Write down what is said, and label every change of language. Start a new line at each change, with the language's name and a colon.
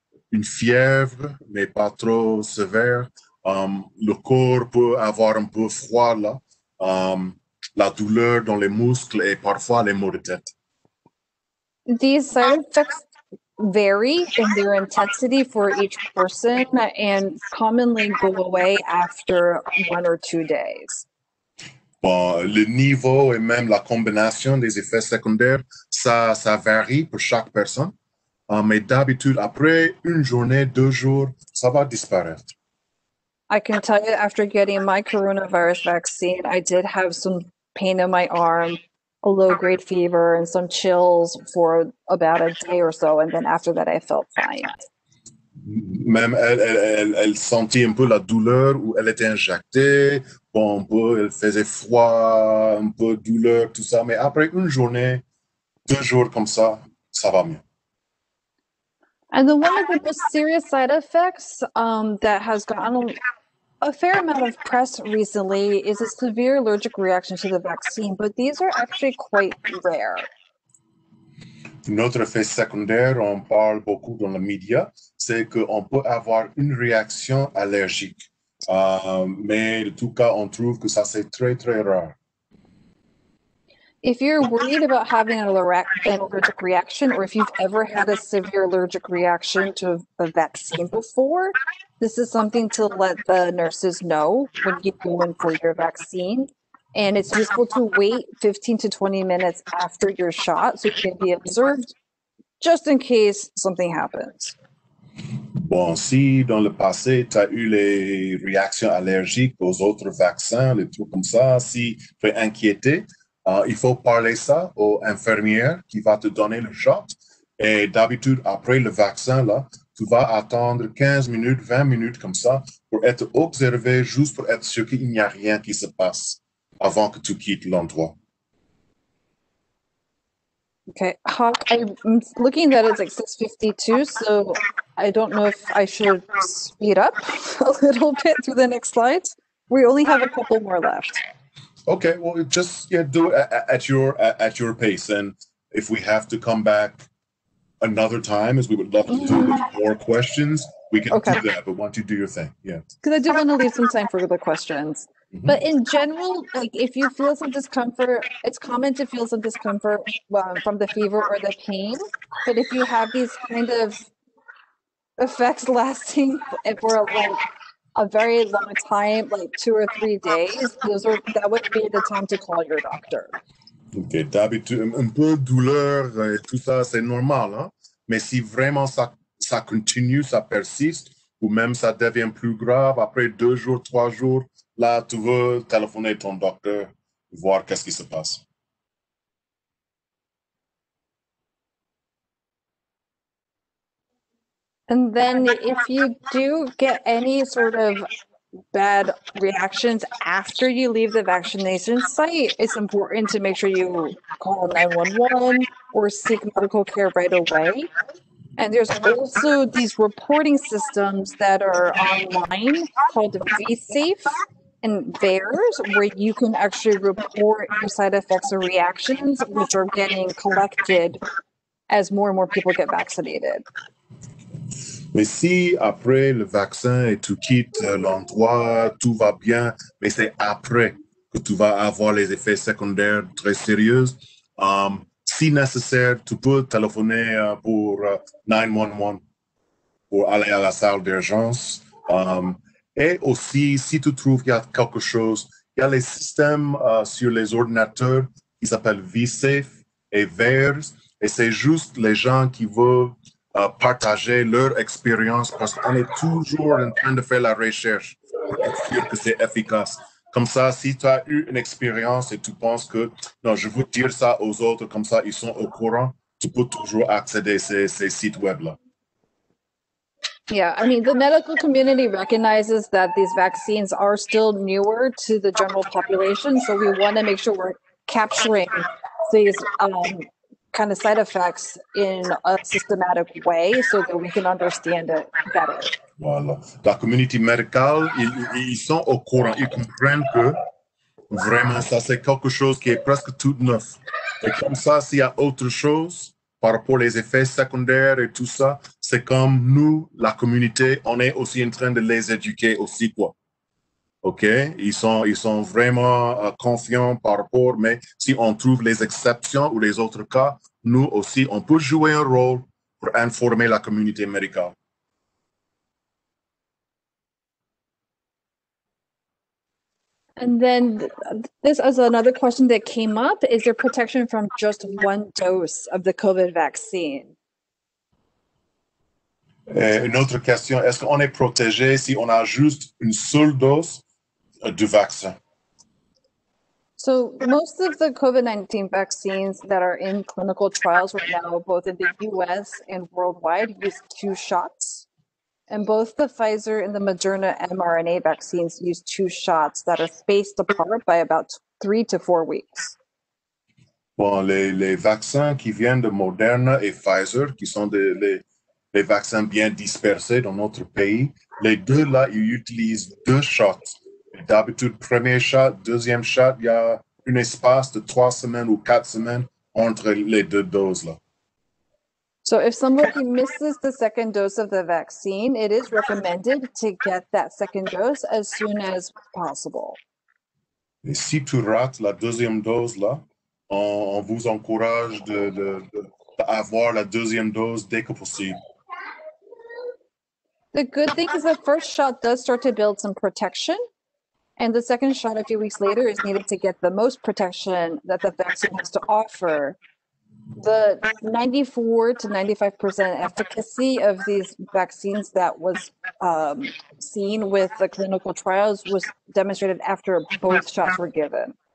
French: Une fièvre, mais pas trop sévère. Le corps peut avoir un peu froid là. La douleur dans les muscles et parfois les maux de tête.
English: These side effects vary in their intensity for each person and commonly go away after 1 or 2 days.
French: Bon, le niveau et même la combinaison des effets secondaires, ça varie pour chaque personne. Mais d'habitude, après une journée, 2 jours, ça va disparaître.
English: I can tell you, after getting my coronavirus vaccine, I did have some pain in my arm, a low-grade fever, and some chills for about a day or so, and then after that, I felt fine.
French: Même elle sentit un peu la douleur où elle était injectée, bon, un peu, elle faisait froid, un peu douleur, tout ça, mais après une journée, 2 jours comme ça, ça va mieux.
English: And then one of the most serious side effects that has gotten a fair amount of press recently is a severe allergic reaction to the vaccine, but these are actually quite rare.
French: Un autre effet secondaire, on parle beaucoup dans les médias, c'est qu'on peut avoir une réaction allergique. Mais en tout cas, on trouve que ça, c'est très, très rare.
English: If you're worried about having an allergic reaction, or if you've ever had a severe allergic reaction to a vaccine before, this is something to let the nurses know when you go in for your vaccine. And it's useful to wait 15 to 20 minutes after your shot so you can be observed just in case something happens.
French: Bon, si dans le passé, tu as eu les réactions allergiques aux autres vaccins, les trucs comme ça, si tu es inquiété, il faut parler ça aux infirmières qui vont te donner le shot. Et d'habitude, après le vaccin, là, tu vas attendre 15 minutes, 20 minutes comme ça pour être observé, juste pour être sûr qu'il n'y a rien qui se passe avant que tu quittes l'endroit.
English: Okay, Hawk, I'm looking at it, it's like 6:52, so I don't know if I should speed up a little bit to the next slide. We only have a couple more left. Okay, well, just do it at your pace. And if we have to come back another time, as we would love to do with more questions, we can do that. But why don't you do your thing? Yeah. Because I do want to leave some time for the questions. But in general, like if you feel some discomfort, it's common to feel some discomfort from the fever or the pain. But if you have these kind of effects lasting for like a very long time, like 2 or 3 days, that would be the time to call your doctor.
French: Okay, d'habitude, un peu de douleur et tout ça, c'est normal. Hein? Mais si vraiment ça continue, ça persiste, ou même ça devient plus grave après 2 jours, 3 jours, là, tu veux téléphoner ton docteur, voir qu'est-ce qui se passe.
English: And then if you do get any sort of bad reactions after you leave the vaccination site, it's important to make sure you call 911 or seek medical care right away. And there's also these reporting systems that are online called VSafe. And VAERS, where you can actually report your side effects or reactions, which are getting collected as more and more people get vaccinated.
French: Mais si après le vaccin et tu quittes l'endroit, tout va bien, mais c'est après que tu vas avoir les effets secondaires très sérieux, si nécessaire, tu peux téléphoner pour 911 pour aller à la salle d'urgence. Et aussi, si tu trouves qu'il y a quelque chose, il y a les systèmes sur les ordinateurs qui s'appellent VSafe et VAERS. Et c'est juste les gens qui veulent partager leur expérience parce qu'on est toujours en train de faire la recherche pour être sûr que c'est efficace. Comme ça, si tu as eu une expérience et tu penses que non, je veux dire ça aux autres, comme ça, ils sont au courant, tu peux toujours accéder à ces sites web-là.
English: Yeah, I mean, the medical community recognizes that these vaccines are still newer to the general population, so we want to make sure we're capturing these kind of side effects in a systematic way so that we can understand it better.
French: Voilà. La communauté médicale, ils sont au courant. Ils comprennent que vraiment, ça, c'est quelque chose qui est presque tout neuf. Et comme ça, s'il y a autre chose, par rapport aux effets secondaires et tout ça, c'est comme nous, la communauté, on est aussi en train de les éduquer aussi, quoi. OK? Ils sont vraiment confiants par rapport, mais si on trouve les exceptions ou les autres cas, nous aussi, on peut jouer un rôle pour informer la communauté médicale.
English: And then this is another question that came up. Is there protection from just one dose of the COVID vaccine?
French: Une autre question, est-ce qu'on est protégé si on a juste une seule dose du vaccin?
English: So most of the COVID-19 vaccines that are in clinical trials right now, both in the US and worldwide, use 2 shots. And both the Pfizer and the Moderna mRNA vaccines use 2 shots that are spaced apart by about 3 to 4 weeks.
French: Bon, les vaccins qui viennent de Moderna et Pfizer, qui sont les vaccins bien dispersés dans notre pays, les deux là, ils utilisent 2 shots. D'habitude, premier shot, deuxième shot, il y a un espace de 3 semaines ou 4 semaines entre les deux doses là.
English: So if somebody misses the second dose of the vaccine, it is recommended to get that second dose as soon as possible.
French: Et si tu rates la deuxième dose là, on vous encourage d'avoir la deuxième dose dès que possible.
English: The good thing is the first shot does start to build some protection. And the second shot a few weeks later is needed to get the most protection that the vaccine has to offer. The 94 to 95% efficacy of these vaccines that was seen with the clinical trials was demonstrated after both shots were given.